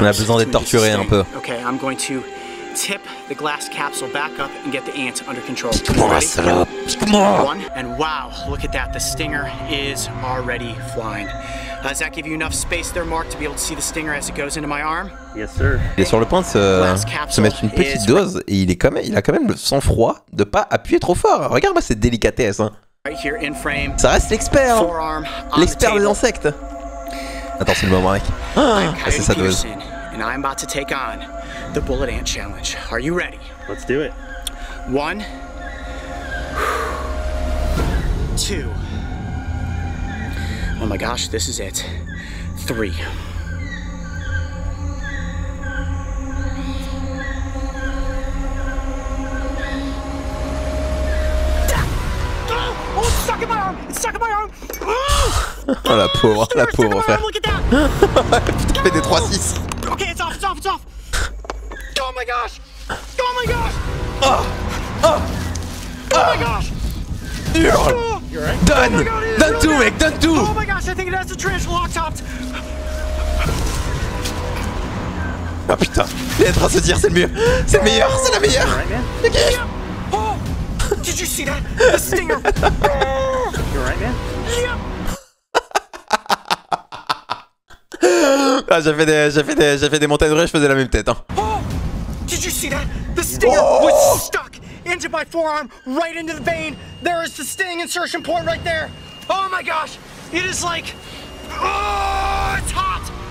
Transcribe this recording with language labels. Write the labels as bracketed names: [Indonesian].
[French] On a besoin d'être torturé un peu. [English] Okay, I'm going to tip the glass capsule back up and get the ant under control. One, and wow, look at that. The stinger is already flying. Does that give you enough space there, Mark, to be able to see the stinger as it goes into my arm? Yes, sir. [French] Il est sur le point de se mettre une petite dose et il a quand même le sang-froid de pas appuyer trop fort. Regarde-moi cette délicatesse, hein. [English] Right here in frame. [French] Ça reste l'expert, hein. L'expert des insectes. Attends, c'est le moment, mec. Ah, c'est sa dose. [English] And I'm about to take on the bullet ant challenge. Are you ready? Let's do it. One. Two. Oh my gosh, this is it. Three. Oh, it's stuck in my arm! It's stuck in my arm! [French] Oh, oh la pauvre, la pauvre, frère. Putain, fait des 3-6. [English] Ok, it's off, it's off, it's off. Oh my gosh. Oh my gosh. Oh, oh my gosh. You're right. Done. Oh, done too, Mick, done too. Oh my gosh, I think it has the tarantula hawk topped. [French] Oh putain, il est en train de se dire c'est le mieux. C'est le meilleur, c'est la meilleure. [English] Right, man? Yep. Oh, did you see that? The stinger. You're right, man? Yep. [French] Ah, j'ai fait des montagnes russes, je faisais la même tête, hein. [English] Oh, did you see that? The stinger was stuck into my forearm, right into the vein. There is the sting insertion point right there. Oh my gosh, it is like, oh, it's hot.